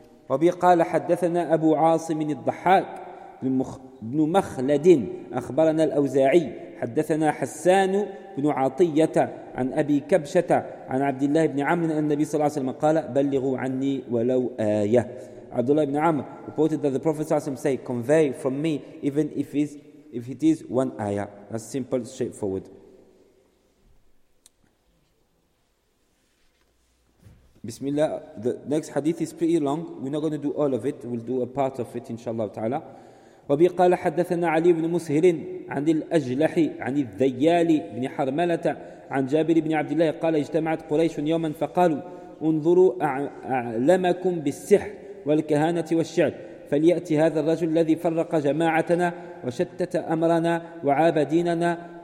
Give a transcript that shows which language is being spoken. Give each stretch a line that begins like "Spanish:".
Arabic: وَبِقَالَ حَدَّثَنَا أَبُو عَاصِمٍ الضَّحَاكِ بن مخلدٍ أخبرنا الأوزاعي حدثنا حسان بن عطية عن أبي كبشة عن عبد الله بن عمرو أن النبي صلى الله عليه وسلم قال بلغوا عني ولو آية.
English: Abdullah ibn Amr reported that the Prophet ﷺ say, convey from me even if it is one ayah. That's simple, straightforward. Bismillah. The next hadith is pretty long. We're not going to do all of it. We'll do a part of it, inshallah ta'ala.
Arabic: وبي قال حدثنا علي بن مسهر عن الأجلحي عن الذيالي بن حرملة عن جابر بن عبد الله قال اجتمعت قريش يوما فقالوا انظروا أعلمكم بالسحر والكهانة والشعر فليأتي هذا الرجل الذي فرق جماعتنا وشتت أمرنا وعاب ديننا